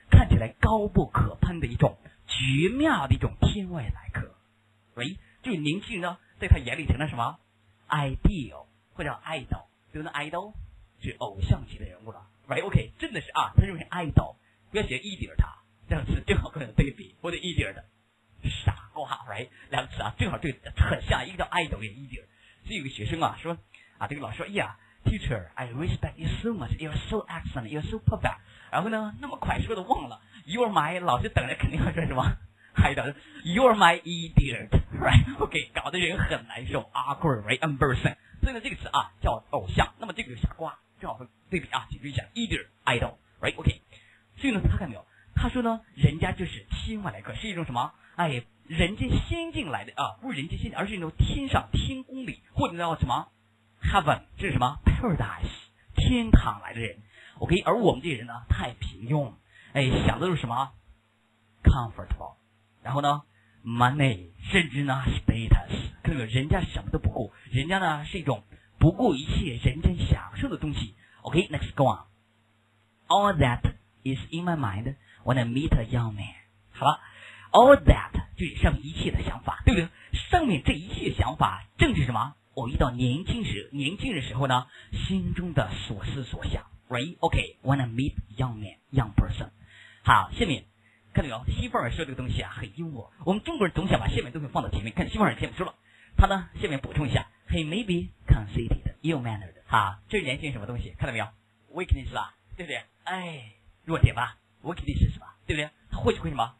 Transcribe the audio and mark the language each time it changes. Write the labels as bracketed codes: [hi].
[zh] 看起来高不可攀的一种绝妙的一种天外来客，喂，就是年轻人呢，在他眼里成了什么 ideal 或者 idol， 就那 idol 是偶像级的人物了 ，right？OK，、okay, 真的是啊，他认为 idol， 不要写 idiot 他，这样子正好跟对比，或者 idiot 的傻瓜 ，right？两个词啊，正好对很像，一个叫 idol， 一个 idiot。所以有个学生啊说啊，这个老师说，哎呀 [en] ，teacher， I respect you so much， you're so excellent， you're so perfect。 [zh] 然后呢，那么快说的忘了 ， [en] You are my [zh] 老师等着肯定要说什么 ，idol， [en] You are my idiot， right？ OK， [zh] 搞得人很难受 [en] ，awkward， right？ embarrassing。 [zh] 所以呢，这个词啊叫偶像，那么这个就傻瓜，正好对比啊，记住一下 ，idiot， idol， right？ OK。 所以呢，他看没有？他说呢，人家就是天外来客，是一种什么？哎，人家先进来的啊，不是人家先进，而是一种天上天宫里，或者叫什么 heaven， 这是什么 paradise， 天堂来的人。 OK， 而我们这些人呢太平庸，哎，想的是什么 comfortable， 然后呢 money， 甚至呢 status， 看到人家什么都不顾，人家呢是一种不顾一切人间享受的东西。 [en] OK， next go on， all that is in my mind when I meet a young man， 好了， all that [zh] 就是上面一切的想法，对不对？上面这一切想法正是什么？我遇到年轻的时候呢心中的所思所想。 [en] Right? OK, when I meet young man, young person. [zh] 好，下面看到没有？西方人说这个东西啊很幽默。我们中国人总想把下面东西放到前面。看西方人前面说了，他呢下面补充一下 ， [en] He may be conceited, ill mannered. [zh] 哈，这是言行什么东西？看到没有 ？Weakness 吧，对不对？哎，弱点吧 ，weakness 是什么？对不对？他会是会什么？